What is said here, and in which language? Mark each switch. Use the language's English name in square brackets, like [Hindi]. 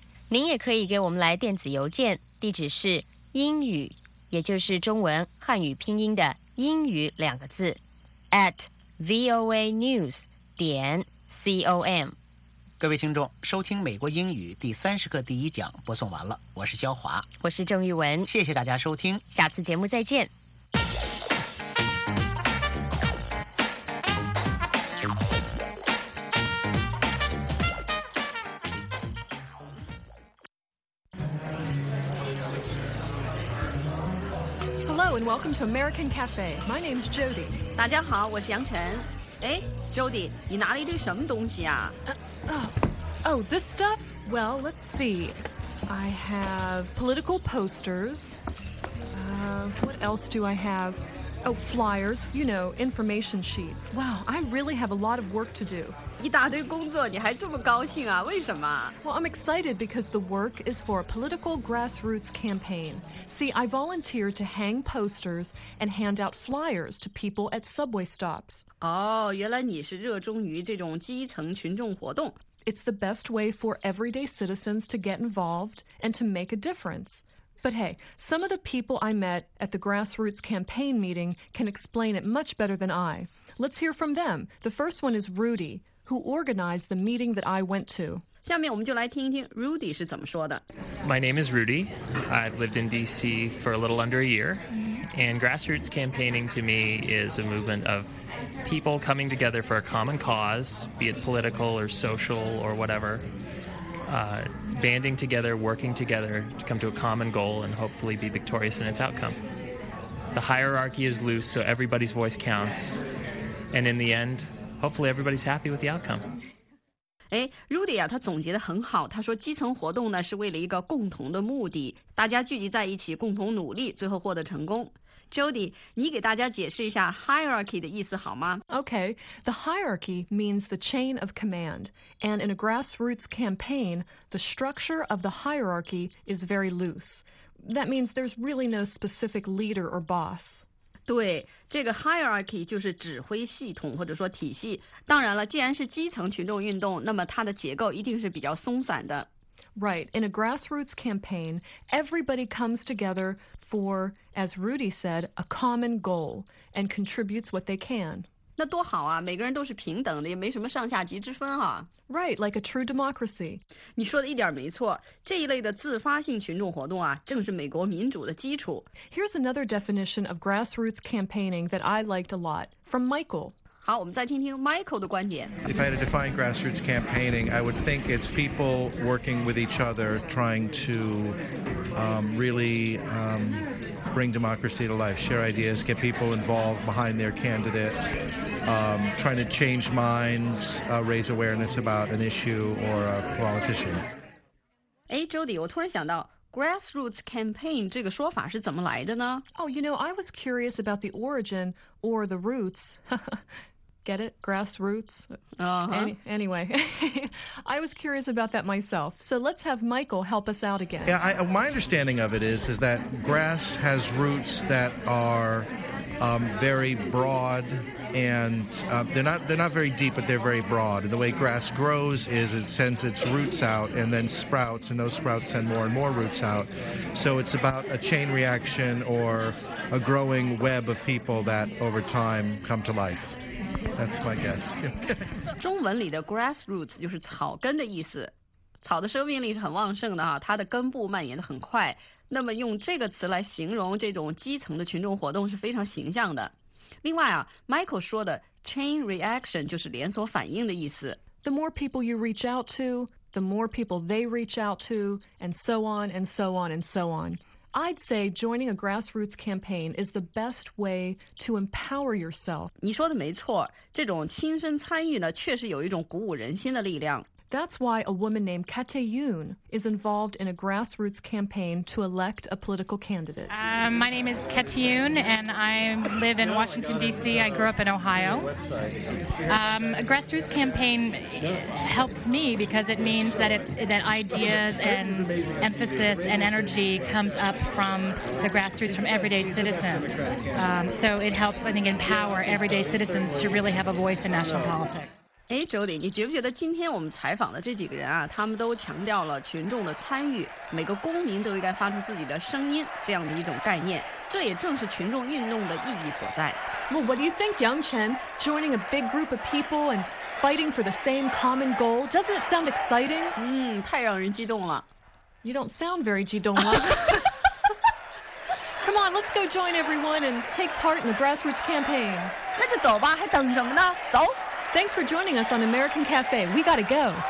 [Chinese] 您也可以给我们来电子邮件，地址是英语，也就是中文汉语拼音的英语两个字 @voanews.com。各位听众，收听美国英语第30课第一讲播送完了，我是肖华，我是郑玉文，谢谢大家收听，下次节目再见。 [English] Hello and welcome to American Cafe. My name is Jody. [Chinese] 大家好，我是杨晨。哎 ，Jody， 你拿了一堆什么东西啊？ [English] Oh, this stuff? Well, let's see. I have political posters. What else do I have? Oh, flyers. You know, information sheets. Wow, I really have a lot of work to do. [Chinese] 一大堆工作，你还这么高兴啊？为什么？ [English] Well, I'm excited because the work is for a political grassroots campaign. See, I volunteer to hang posters and hand out flyers to people at subway stops. [Chinese] 哦，原来你是热衷于这种基层群众活动。 [English] It's the best way for everyday citizens to get involved and to make a difference. But hey, some of the people I met at the grassroots campaign meeting can explain it much better than I. Let's hear from them. The first one is Rudy, who organized the meeting that I went to. [Chinese] 下面我们就来听一听 Rudy 是怎么说的。 [English] My name is Rudy. I've lived in D.C. for a little under a year. And grassroots campaigning to me is a movement of people coming together for a common cause, be it political or social or whatever, banding together, working together to come to a common goal and hopefully be victorious in its outcome. The hierarchy is loose, so everybody's voice counts. And in the end, hopefully everybody's happy with the outcome. [Chinese] 哎 ，Rudy 啊，他总结得很好。他说，基层活动呢是为了一个共同的目的，大家聚集在一起，共同努力，最后获得成功。 Jody， 你给大家解释一下 hierarchy 的意思好吗 [English] ？Okay, the hierarchy means the chain of command, and in a grassroots campaign, the structure of the hierarchy is very loose. That means there's really no specific leader or boss. [Chinese] 对，这个 hierarchy 就是指挥系统或者说体系。当然了，既然是基层群众运动，那么它的结构一定是比较松散的。 [English] Right, in a grassroots campaign, everybody comes together for, as Rudy said, a common goal and contributes what they can. [Chinese] 那多好啊，每个人都是平等的，也没什么上下级之分啊。 [English] Right, like a true democracy. [Chinese] 你说的一点没错，这一类的自发性群众活动啊，正是美国民主的基础。 [English] Here's another definition of grassroots campaigning that I liked a lot from Michael. [Chinese] 好，我们再听听 Michael 的观点。 [English] If I had to define grassroots campaigning, I would think it's people working with each other, trying to really bring democracy to life, share ideas, get people involved behind their candidate, trying to change minds, raise awareness about an issue or a politician. [Chinese] 哎 ，Jody， 我突然想到。Grassroots campaign 这个说法是怎么来的呢 [English] ？Oh, you know, I was curious about the origin or the roots. Get it? Grassroots. Anyway, I was curious about that myself. So let's have Michael help us out again. Yeah, my understanding of it is that grass has roots that are very broad. And they're not very deep, but they're very broad. And the way grass grows is it sends its roots out and then sprouts, and those sprouts send more and more roots out. So it's about a chain reaction or a growing web of people that over time come to life. That's my guess. [Chinese] 中文里的 grassroots 就是草根的意思，草的生命力是很旺盛的哈，它的根部蔓延的很快。那么用这个词来形容这种基层的群众活动是非常形象的。另外啊 ，Michael 说的 chain reaction 就是连锁反应的意思。 [English] The more people you reach out to, the more people they reach out to, and so on and so on and so on. I'd say joining a grassroots campaign is the best way to empower yourself. [Chinese] 你说的没错，这种亲身参与呢，确实有一种鼓舞人心的力量。 [English] That's why a woman named Kate Yoon is involved in a grassroots campaign to elect a political candidate. My name is Kate Yoon, and I live in Washington, D.C. I grew up in Ohio. A grassroots campaign helped me because it means that, that ideas and emphasis and energy comes up from the grassroots, from everyday citizens. So it helps, I think, empower everyday citizens to really have a voice in national politics. [Chinese] Hey, Jody, 你觉不觉得今天我们采访的这几个人啊，他们都强调了群众的参与，每个公民都应该发出自己的声音这样的一种概念，这也正是群众运动的意义所在。 [English] Well, what do you think, Yang Chen? Joining a big group of people and fighting for the same common goal, doesn't it sound exciting? [Chinese] 嗯，太让人激动了。 [English] You don't sound very [Chinese] 激动了。 [English] Come on, let's go join everyone and take part in the grassroots campaign. [Chinese] 那就走吧，还等什么呢？走。 [English] Thanks for joining us on American Cafe. We gotta go. See